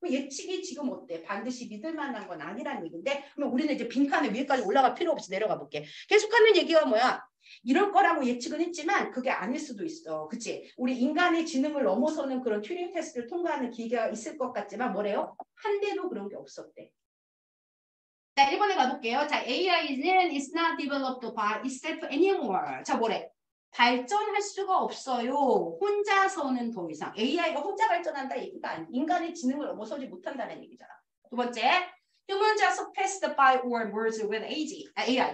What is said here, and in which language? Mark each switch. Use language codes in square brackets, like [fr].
[ko] 예측이 지금 어때? 반드시 믿을 만한 건 아니라는 얘기인데 그럼 우리는 이제 빈칸에 위에까지 올라갈 필요 없이 내려가 볼게. 계속하는 얘기가 뭐야? 이럴 거라고 예측은 했지만 그게 아닐 수도 있어. 그치? 우리 인간의 지능을 넘어서는 그런 튜링 테스트를 통과하는 기계가 있을 것 같지만 뭐래요? 한 대도 그런 게 없었대. 자, 1번에 가볼게요. [en] 자, AI는 is not developed by itself anymore. [ko] 자, 뭐래? 발전할 수가 없어요. 혼자서는 더 이상. AI가 혼자 발전한다 얘기가 아니야. 인간의 지능을 넘어서지 못한다는 얘기잖아. 두 번째, [en] humans are surpassed by or merged with AI.